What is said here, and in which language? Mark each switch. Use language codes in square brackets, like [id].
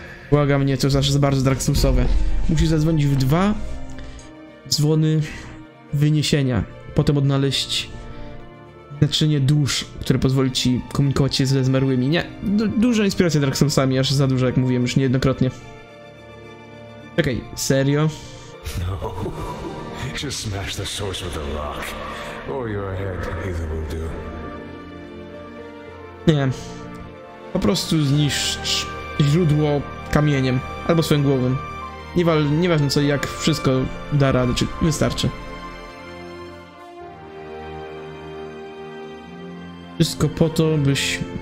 [pl] Błaga mnie, to zawsze jest bardzo Dark Soulsowe. Musisz zadzwonić w dwa dzwony wyniesienia. Potem odnaleźć naczynie dusz, które pozwoli ci komunikować się ze zmarłymi. Nie, duża inspiracja Dark Soulsami, aż za dużo, jak mówiłem już niejednokrotnie. Czekaj, serio? [en] No, just smash the source with a lock, or your head either will do. [pl] Nie, po prostu zniszcz źródło kamieniem, albo swoją głową. Nieważne co, jak wszystko da radę, czy wystarczy. Wszystko po to, byś...